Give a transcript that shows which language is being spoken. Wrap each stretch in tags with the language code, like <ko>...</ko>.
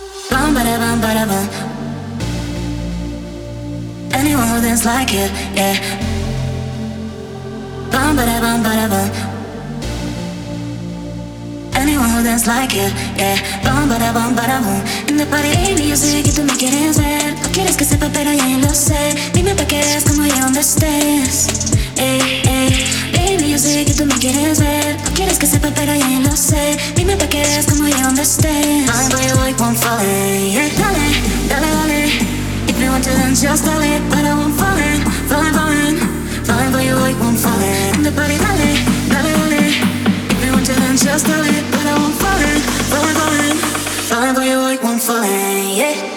<en>Bum ba da bum ba da bum. Anyone who dance like you, yeah. Bum ba da bum ba da bum. Anyone who dance like you, yeah. Bum ba da bum ba da bum. In the party, hey, me,</en> <es>yo sé que tú me quieres ver. No quieres que sepa, pero ya lo sé. Dime pa' qué eres, como yo, donde estés. Ey, ey. Baby, yo sé que tú me quieres ver. No quieres que sepa, pero ya lo sé. Dime pa' qué eres, como yo, donde estés.</es> <en>Falling for you, I won't fall in. Yeah,</en> <es>dale, dale, dale.</es> <en>If you want to dance, just dale. But I won't fall in, fall in, fall in. Falling for you, I won't fall in. In the party,</en> <es>dale, dale, dale.</es> <en>If you want to dance, just dale. But I won't fall in, fall in, fall in. Falling for you, I won't fall in, yeah.</en>